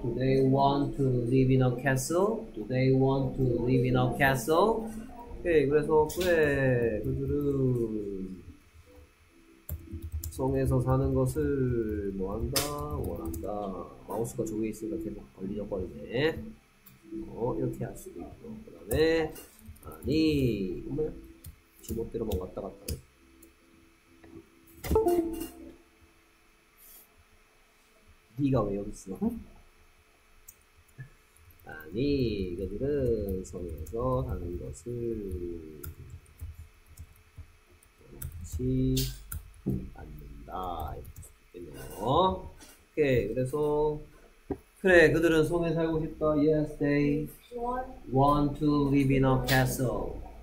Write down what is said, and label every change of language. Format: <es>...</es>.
<en>Do they want to live in a castle? Do they want to live in a castle?</en> <ko>오케이. 그래서 그래. 그들은 성에서 사는 것을 뭐 한다? 원한다. 마우스가 저기 있으니까 계속 걸리적거리네. 이렇게 할 수도 있고. 그다음에 아니. 뭐야? 지멋대로만 왔다 갔다 해. 네가 왜 여기 있어? 아니, 그들은 성에서 사는 것을 원치 않는다. 이렇게 좋겠네요. 오케이, 그래서 그래, 그들은 성에 살고 싶다.</ko> <en>Yes, they want to live in a castle.</en>